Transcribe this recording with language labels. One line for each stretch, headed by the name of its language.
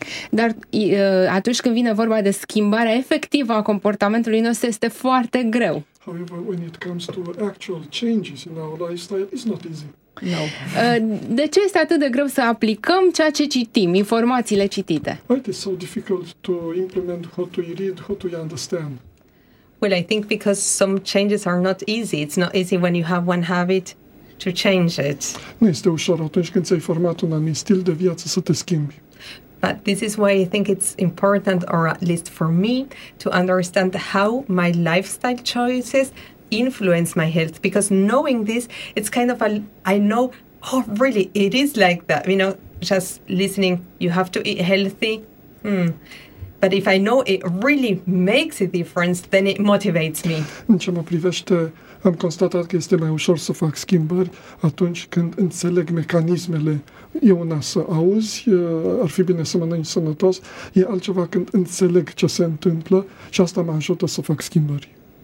Romanian: Dar atunci când vine vorba de schimbarea efectivă a comportamentului nostru, este foarte greu.
English: However, when it comes to actual changes in our lifestyle, it's not easy. No.
Romanian: De ce este atât de greu să aplicăm ceea ce citim, informațiile citite?
English: Why is it so difficult to implement what we read, what we understand? Well, I think because some changes are not easy. It's not easy when you have one habit to change it.
Romanian: Nu este ușor atunci când ți-ai format un anumit stil de viață să te schimbi.
English: But this is why I think it's important, or at least for me, to understand how my lifestyle choices influence my health, because knowing this, it's kind of a, I know, oh really, it is like that, you know, just listening, you have to eat healthy, but if I know it really makes a difference, then it motivates me.
Romanian: În ce mă privește, am constatat că este mai ușor să fac schimbări atunci când înțeleg mecanismele. E una să auzi, ar fi bine să mănânci sănătos, e altceva când înțeleg ce se întâmplă și asta mă ajută să fac schimbări.